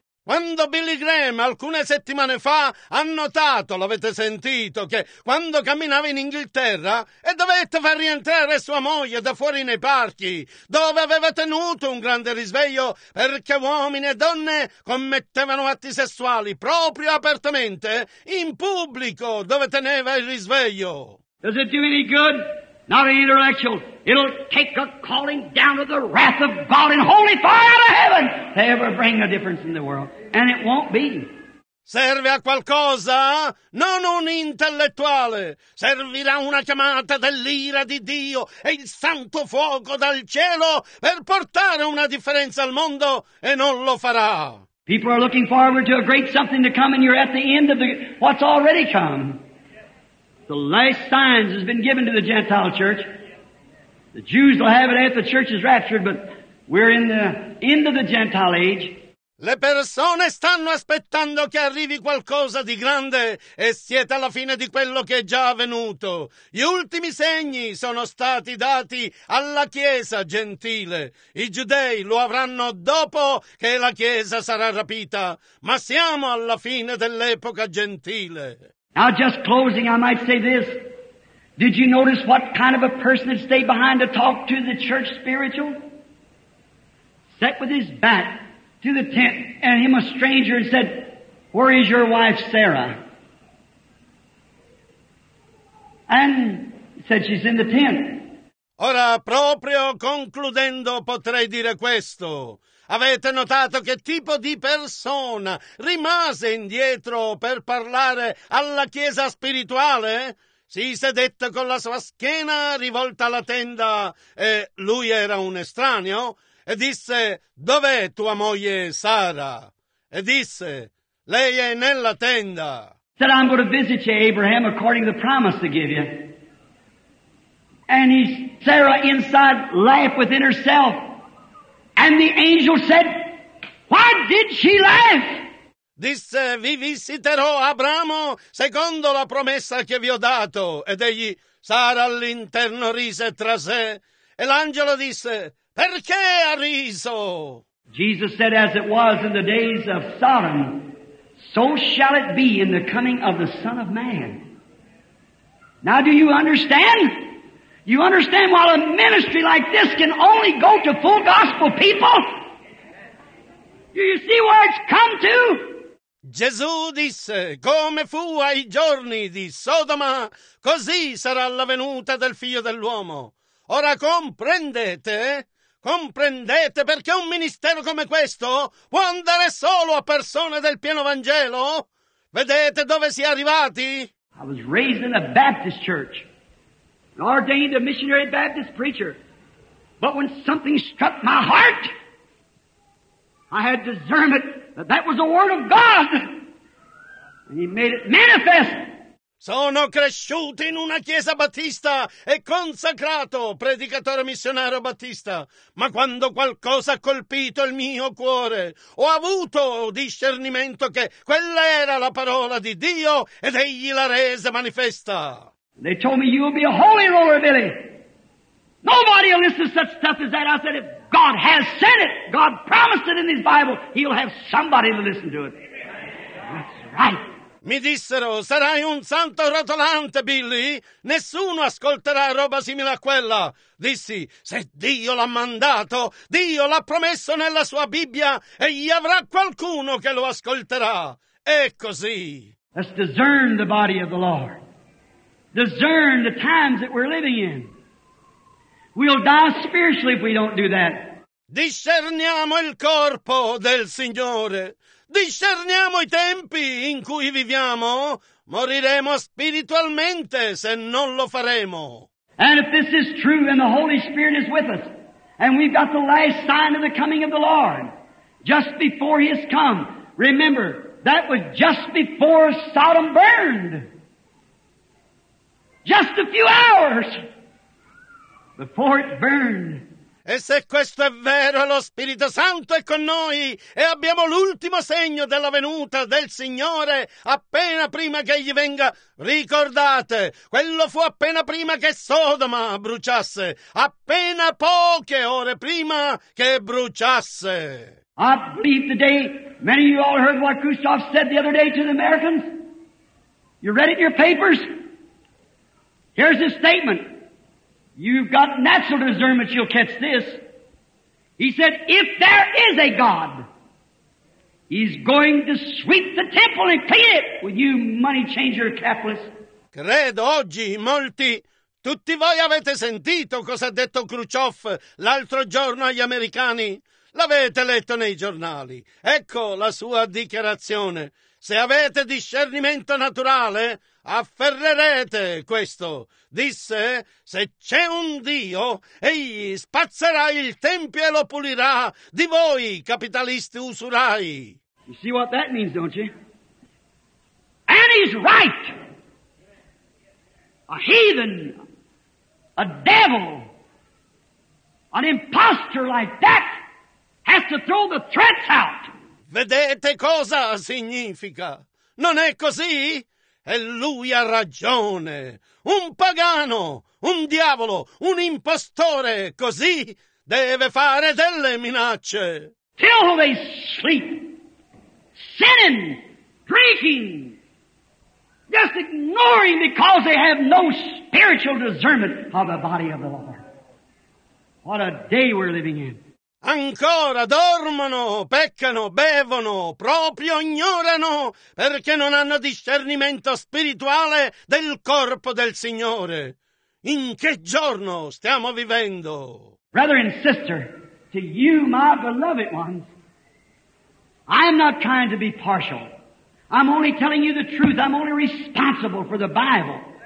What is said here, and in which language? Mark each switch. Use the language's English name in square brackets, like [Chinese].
[Italian] Quando Billy Graham alcune settimane fa ha notato, l'avete sentito, che quando camminava in Inghilterra e dovette far rientrare sua moglie da fuori nei parchi, dove aveva tenuto un grande risveglio perché uomini e donne commettevano atti sessuali proprio apertamente in pubblico dove teneva il risveglio. [English] Does it do any good? Not an intellectual. It'll take a calling down of the wrath of God and holy fire out of heaven to ever bring a difference in the world. And it won't be. [Italian] Serve a qualcosa? Non un intellettuale. Servirà una chiamata dell'ira di Dio e il santo fuoco dal cielo per portare una differenza al mondo e non lo farà. [English] People are looking forward to a great something to come and you're at the end of the what's already come. The last signs has been given to the Gentile church. The Jews will have it after the church is raptured, but we're in the end of the Gentile age. [Italian] Le persone stanno aspettando che arrivi qualcosa di grande e siete alla fine di quello che è già avvenuto. Gli ultimi segni sono stati dati alla Chiesa gentile. I giudei lo avranno dopo che la Chiesa sarà rapita, ma siamo alla fine dell'epoca gentile. [English] Now just closing, I might say this. Did you notice what kind of a person had stayed behind to talk to the church spiritual? Set with his back to the tent and him a stranger and said, where is your wife Sarah? And he said, she's in the tent. [Italian] Ora, proprio concludendo, potrei dire questo. Avete notato che tipo di persona rimase indietro per parlare alla chiesa spirituale? Si sedette con la sua schiena rivolta alla tenda e lui era un estraneo e disse, dov'è tua moglie Sara? E disse, lei è nella tenda. [English] Said, I'm going to visit you, Abraham, according to the promise to give you. And he, Sarah inside laughed within herself. And the angel said, why did she laugh? [Italian] Disse, vi visiterò, Abramo, secondo la promessa che vi ho dato. Ed egli, Sara all'interno, rise tra sé. E l'angelo disse, perché ha riso? [English] Jesus said, as it was in the days of Sodom, so shall it be in the coming of the Son of Man. Now do you understand? You understand why a ministry like this can only go to full gospel people? Do you see where it's come to? [Italian] Gesù disse, come fu ai giorni di Sodoma, così sarà la venuta del Figlio dell'uomo. Ora comprendete? Comprendete perché un ministero come questo può andare solo a persone del pieno Vangelo? Vedete dove si è arrivati? [English] I was raised in a Baptist church. Ordained a missionary Baptist preacher. But when something struck my heart, I had discernment that that was the word of God. And he made it manifest. [Italian] Sono cresciuto in una chiesa battista e consacrato predicatore missionario battista. Ma quando qualcosa ha colpito il mio cuore, ho avuto discernimento che quella era la parola di Dio ed egli la rese manifesta. [English] They told me, you'll be a holy roller, Billy. Nobody will listen to such stuff as that. I said, if God has said it, God promised it in His Bible, He'll have somebody to listen to it. That's right. [Italian] Mi dissero, sarai un santo rotolante, Billy. Nessuno ascolterà roba simile a quella. Dissi, se Dio l'ha mandato, Dio l'ha promesso nella sua Bibbia, e gli avrà qualcuno che lo ascolterà. È così. [English] Let's discern the body of the Lord. Discern the times that we're living in. We'll die spiritually if we don't do that. [Italian] Discerniamo il corpo del Signore. Discerniamo i tempi in cui viviamo. Moriremo spiritualmente se non lo faremo. [English] And if this is true and the Holy Spirit is with us, and we've got the last sign of the coming of the Lord, just before He has come, remember, that was just before Sodom burned. Just a few hours before it burned. [Italian] E se questo è vero, lo Spirito Santo è con noi e abbiamo l'ultimo segno della venuta del Signore appena prima che Egli venga. Ricordate, quello fu appena prima che Sodoma bruciasse, appena poche ore prima che bruciasse. [English] I believe today, many of you all heard what Khrushchev said the other day to the Americans. You read it in your papers? Here's his statement. You've got natural discernment, you'll catch this. He said, if there is a God, He's going to sweep the temple and clean it with you money changer capitalists. [Italian] Credo oggi molti, tutti voi avete sentito cosa ha detto Khrushchev l'altro giorno agli americani. L'avete letto nei giornali. Ecco la sua dichiarazione. Se avete discernimento naturale, afferrerete questo. Disse, se c'è un Dio, Egli spazzerà il Tempio e lo pulirà di voi, capitalisti usurai. [English] You see what that means, don't you? And he's right. A heathen, a devil, an imposter like that has to throw the threats out. [Italian] Vedete cosa significa? Non è così? E lui ha ragione. Un pagano, un diavolo, un impostore, così deve fare delle minacce. [English] Till they sleep, sinning, drinking, just ignoring because they have no spiritual discernment of the body of the Lord. What a day we're living in. [Italian] Ancora dormono, peccano, bevono, proprio ignorano perché non hanno discernimento spirituale del corpo del Signore. In che giorno stiamo vivendo? [English] Brother and sister, to you, my beloved ones, I'm not trying to be partial. I'm only telling you the truth. I'm only responsible for the Bible.